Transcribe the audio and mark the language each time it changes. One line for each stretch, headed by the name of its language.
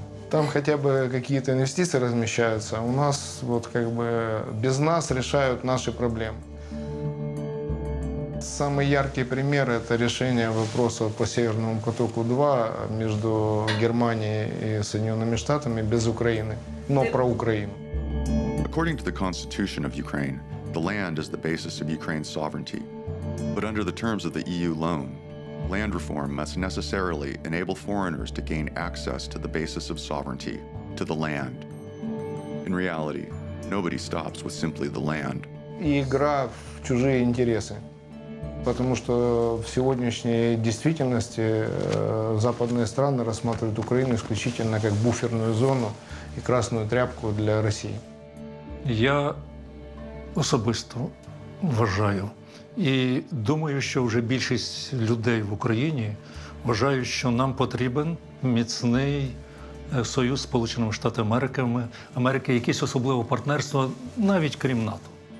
Russian: Там хотя бы какие-то инвестиции размещаются. У нас вот как бы без нас решают наши проблемы. Самый яркий пример – это решение вопроса по Северному потоку-2 между Германией и Соединенными Штатами без Украины, но про Украину.
English: According to the Constitution of Ukraine, the land is the basis of Ukraine's sovereignty. But under the terms of the EU loan, land reform must necessarily enable foreigners to gain access to the basis of sovereignty, to the land. In reality, nobody stops with simply the land.
Russian: Игра в чужие интересы. Потому что в сегодняшней действительности западные страны рассматривают Украину исключительно как буферную зону и красную тряпку для России.
Ukrainian: Я особисто вважаю, і думаю, що вже більшість людей в Україні вважають, що нам потрібен міцний союз з Сполученими Штатами Америки, якесь особливе партнерство, навіть крім НАТО.